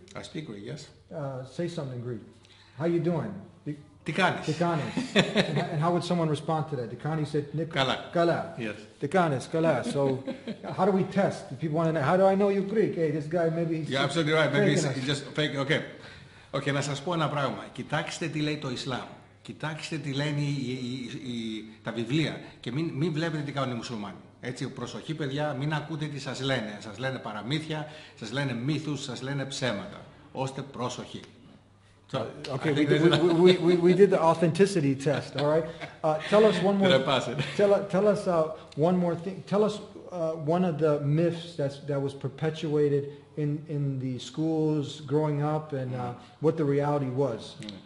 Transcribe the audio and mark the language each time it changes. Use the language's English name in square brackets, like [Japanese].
[English] I speak Greek, yes. Say something in Greek. How you doing? [Greek] Tikanis. [English] And how would someone respond to that? Tikanis said, [Greek] Kala. Kala. [English] Yes. [Greek] Tikanis, Kala. [English] So how do we test? If people want to know, how do I know you're Greek? Hey, this guy, maybe he's... You're absolutely right. Maybe he's just fake. Okay. [Greek] Okay, να σας πω ένα πράγμα. Κοιτάξτε τι λέει το Ισλάμ. Κοιτάξτε τι λένε τα βιβλία. Και μην βλέπετε τι κάνουν οι μουσουλμάνοι. Έτσι, προσοχή παιδιά, μην ακούτε τι σας λένε. Σας λένε παραμύθια, σας λένε μύθους, σας λένε ψέματα. Ώστε προσοχή. [English] So, okay, we did the authenticity test, all right? Tell us one more. Did I pass it? Tell us one more thing. Tell us one of the myths that was perpetuated in the schools growing up and what the reality was.